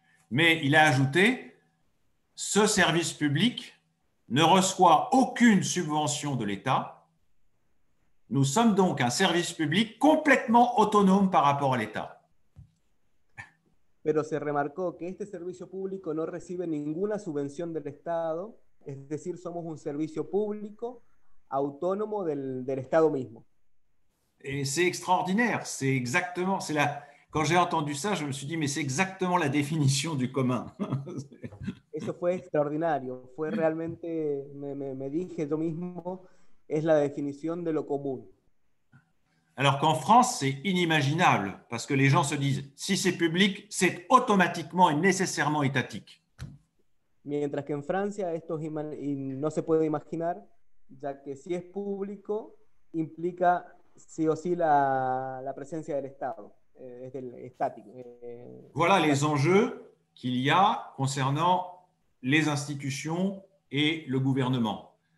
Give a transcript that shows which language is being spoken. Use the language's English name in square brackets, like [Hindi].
[French] Mais il a ajouté, ce service public ne reçoit aucune subvention de l'État. Nous sommes donc un service public complètement autonome par rapport à l'État. [Spanish] Pero se remarcó que este servicio público no recibe ninguna subvención del Estado, es decir, somos un servicio público autónomo del Estado mismo. [French] Et c'est extraordinaire, c'est exactement, c'est la, quand j'ai entendu ça, je me suis dit, mais c'est exactement la définition du commun. [Spanish] Eso fue extraordinario, fue realmente, me dije yo mismo, es la definición de lo común. [French] Alors qu'en France, c'est inimaginable, parce que les gens se disent, si c'est public, c'est automatiquement et nécessairement étatique. [Spanish] Mientras que en Francia, esto no se puede imaginar, ya que si es público, implica sí o sí la presencia del Estado, es del estático. [French] Voilà les enjeux qu'il y a concernant les institutions et le gouvernement.